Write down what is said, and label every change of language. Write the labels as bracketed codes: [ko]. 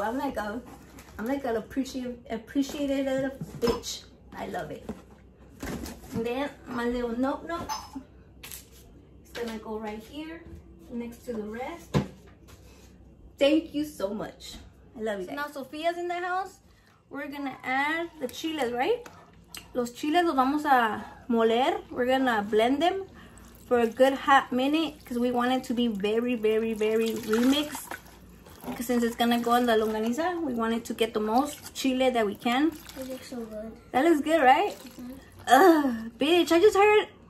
[en] I'm like an appreciated little bitch. I love it. And then my little note. It's gonna go right here next to the rest. Thank you so much. I love you guys. So now Sofia's in the house. We're gonna add the chiles, right? [es] Los chiles los vamos a moler. [en] We're gonna blend them for a good hot minute because we want it to be very, very, very remixed. Because since it's gonna go in the longaniza, we want it to get the most chile that we can. It looks so good. That looks good, right? Mm-hmm. Bitch, I just heard.